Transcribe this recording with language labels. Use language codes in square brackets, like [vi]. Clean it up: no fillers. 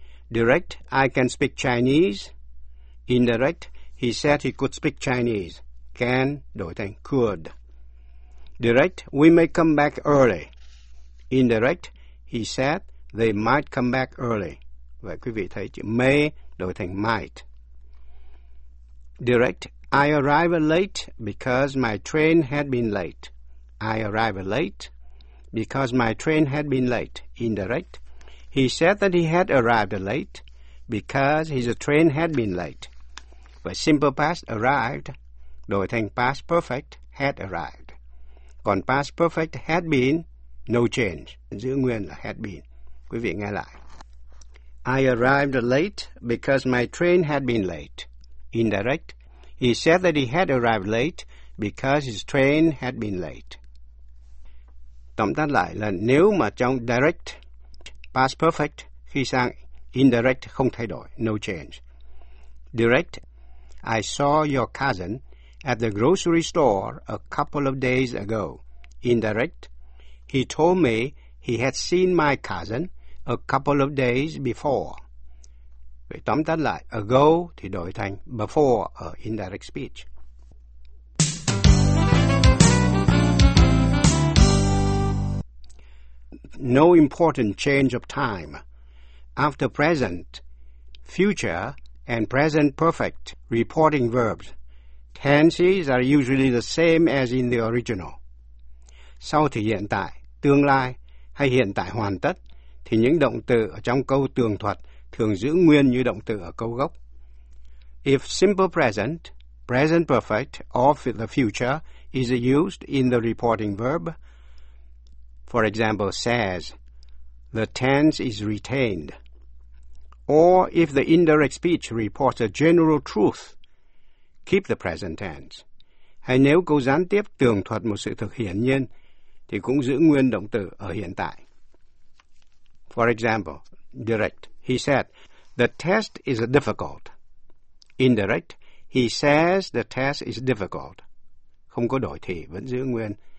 [en] Direct, I can speak Chinese. Indirect, he said he could speak Chinese. Can, [vi] đổi thành [en] could. Direct, we may come back early. Indirect, he said they might come back early. [vi] Vậy quý vị thấy chữ may đổi thành might. [en] Direct, I arrived late because my train had been late. I arrived late because my train had been late. Indirect, he said that he had arrived late because his train had been late. [vi] Vậy simple past arrived đổi thành past perfect had arrived. Còn past perfect had been, [en] no change, [vi] giữ nguyên là had been. Quý vị nghe lại. [en] I arrived late because my train had been late. Indirect, he said that he had arrived late because his train had been late. [vi] Tóm tắt lại là nếu mà trong direct, past perfect, khi sang indirect không thay đổi, [en] no change. Direct, I saw your cousin at the grocery store a couple of days ago. Indirect, he told me he had seen my cousin a couple of days before. [vi] Vậy tóm tắt lại, ago thì đổi thành before ở indirect speech. [en] No important change of time. After present, future, and present perfect reporting verbs, tenses are usually the same as in the original. [vi] Sau thì hiện tại, tương lai, hay hiện tại hoàn tất, thì những động từ ở trong câu tường thuật thường giữ nguyên như động từ ở câu gốc. [en] If simple present, present perfect, or the future is used in the reporting verb, for example, says, the tense is retained. Or if the indirect speech reports a general truth, keep the present tense. [vi] Hay nếu câu gián tiếp tường thuật một sự thực hiển nhiên, thì cũng giữ nguyên động từ ở hiện tại. [en] For example, direct, he said, the test is difficult. Indirect, he says the test is difficult. [vi] Không có đổi thì, vẫn giữ nguyên.